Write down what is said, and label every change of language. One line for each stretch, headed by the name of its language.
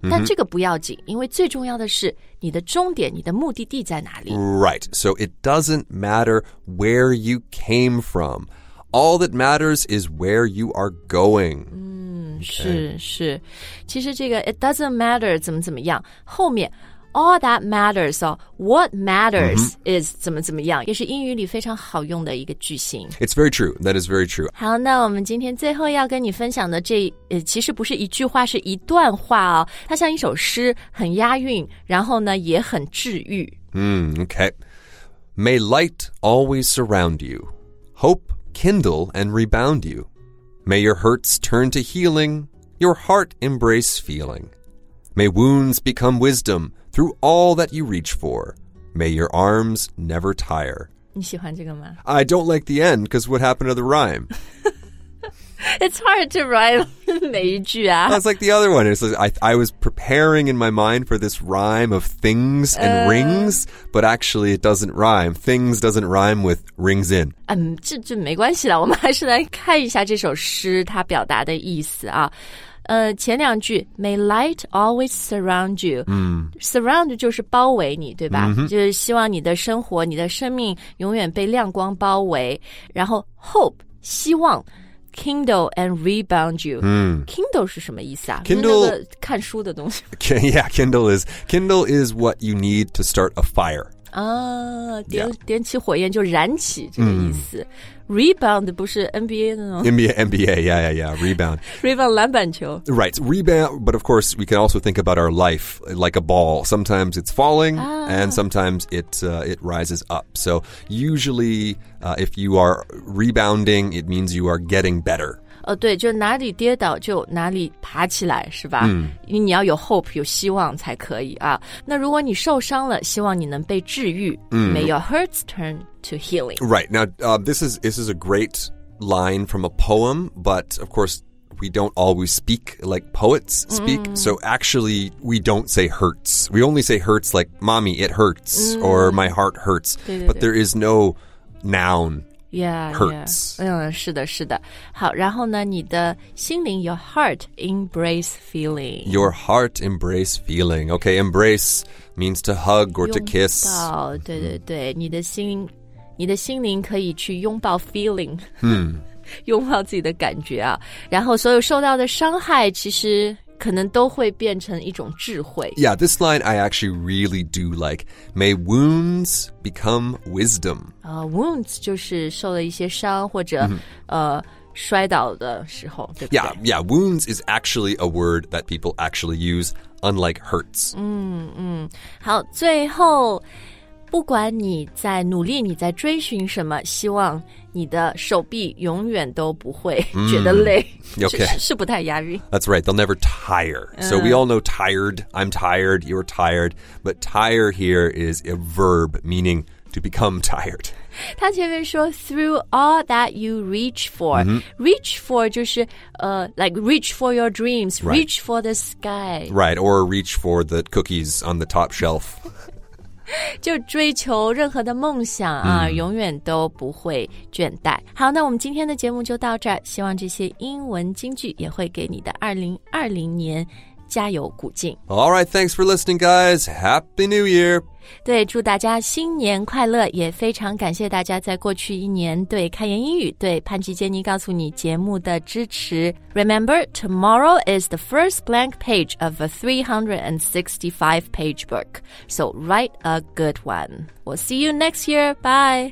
Chinese: mm-hmm. 但这个不要紧，因为最重要的是你的终点，你的目的地在哪里。
English: Right, so it doesn't matter where you came from. All that matters is where you are going. Okay.
Chinese: 是是，其实这个
English: it doesn't matter
Chinese: 怎么怎么样，后面
English: all that matters
Chinese: 哦
English: what matters、
Chinese: mm-hmm. is 怎么怎么样，也是英语里非常好用的一个句型。
English: It's very true. That is very true.
Chinese: 好，那我们今天最后要跟你分享的这其实不是一句话，是一段话哦。它像一首诗，很押韵，然后呢也很治愈。
English: Okay. May light always surround you, hope kindle and rebound you. May your hurts turn to healing, your heart embrace feeling. May wounds become wisdom through all that you reach for. May your arms never tire.
Chinese: 你喜欢这个吗？
English: I don't like the end, because what happened to the rhyme? It's hard to rhyme
Chinese: 每一句啊。
English: That's like the other one. I was preparing in my mind for this rhyme of things and rings, but actually it doesn't rhyme. Things doesn't rhyme with rings in.
Chinese: 这没关系了，我们还是来看一下这首诗它表达的意思啊。前两句
English: May light always surround you、 mm.
Chinese: Surround 就是包围你对吧、 mm-hmm. 就是希望你的生活你的生命永远被亮光包围，然后 hope 希望
English: Kindle and rebound you.、 Mm.
Chinese: Kindle 是什么意思啊？
English: Kindle
Chinese: 看书的东西。
English: Yeah, Kindle is what you need to start a fire.
Chinese: 啊，点起火焰就燃起这个意思。 Mm. Rebound 不是 NBA 的吗？
English: NBA, yeah. Rebound.
Chinese: Rebound 篮板球。
English: Right, rebound. But of course, we can also think about our life like a ball. Sometimes it's falling,、and sometimes it rises up. So usually,if you are rebounding, it means you are getting better.
Chinese: 对，就哪里跌倒就哪里爬起来，是吧？ Mm. 你要有 hope, 有希望才可以啊。那如果你受伤了，希望你能被治愈。 Mm.
English: May your hurts turn to healing. Right, now, this is a great line from a poem, but of course, we don't always speak like poets speak,、mm. so actually, we don't say hurts. We only say hurts like, mommy, it hurts,、mm. or my heart hurts,
Chinese: 对对对
English: but there is no noun. Yeah, hurts.
Chinese: Yeah. 是的是的。好，然后呢你的心灵
English: your heart embrace feeling. Your heart embrace feeling. Okay, embrace means to hug or to kiss.
Chinese: 拥抱，对对对，你的心灵可以去拥抱 feeling. 拥抱自己的感觉啊。然后所有受到的伤害其实可能都会变成一种智慧。
English: Yeah, this line I actually really do like. May wounds become wisdom.
Chinese: Wounds 就是受了一些伤或者、mm-hmm. 摔倒的时候，对不对？
English: Yeah, yeah, wounds is actually a word that people actually use, unlike hurts.
Chinese: 好，最后，不管你在努力，你在追寻什么，希望你的手臂永远都不会觉得累、
English: okay.
Chinese: 是不太押韵。
English: That's right, they'll never tire. So we all know tired, I'm tired, you're tired. But tire here is a verb meaning to become tired.
Chinese: 他前面说
English: through all that you reach for、 mm-hmm. Reach for
Chinese: 就是、
English: like reach for your dreams、 right. Reach for the sky. Right, or reach for the cookies on the top shelf.
Chinese: 就追求任何的梦想啊、mm. 永远都不会倦怠。好，那我们今天的节目就到这儿，希望这些英文金句也会给你的2020年加油鼓劲。
English: Alright, thanks for listening guys. Happy New Year.
Chinese: 对，祝大家新年快乐，也非常感谢大家在过去一年对开言英语对潘吉杰尼告诉你节目的支持。
English: Remember, tomorrow is the first blank page of a 365 page book. So write a good one. We'll see you next year. Bye.